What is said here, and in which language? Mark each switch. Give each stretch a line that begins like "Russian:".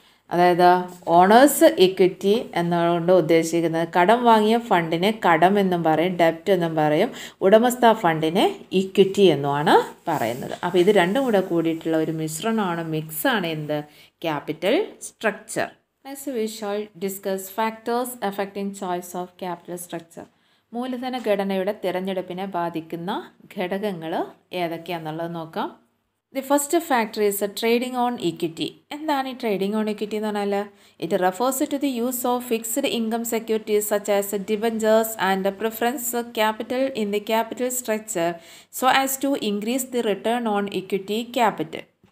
Malayalam: അതായത് owners equity എന്നുകൊണ്ട് ഉദ്ദേശിക്കുന്നത് കടം വാങ്ങിയ ഫണ്ടിനെ കടം എന്നും പറയും, ഡെപ്റ്റ് എന്നും പറയും, ഉടമസ്ഥ ഫണ്ടിനെ ഇക്വിറ്റി എന്നുമാണ് പറയുന്നത്. അപ്പോൾ ഇത് രണ്ടും കൂടെ കൂടിയിട്ടുള്ള ഒരു മിശ്രണമാണ്, മിക്സാണ് എന്ത്? Capital structure.
English: As we shall discuss factors affecting choice of capital structure.
Malayalam: മൂലധന ഘടനയുടെ തിരഞ്ഞെടുപ്പിനെ ബാധിക്കുന്ന ഘടകങ്ങൾ ഏതൊക്കെയാണെന്നുള്ളത് നോക്കാം.
English: The first factor is trading on equity.
Malayalam: എന്താണ് ഈ ട്രേഡിംഗ് ഓൺ ഇക്വിറ്റി എന്ന് പറഞ്ഞാൽ?
English: It refers to the use of fixed income securities such as debentures and preference capital in the capital structure so as to increase the return on equity capital.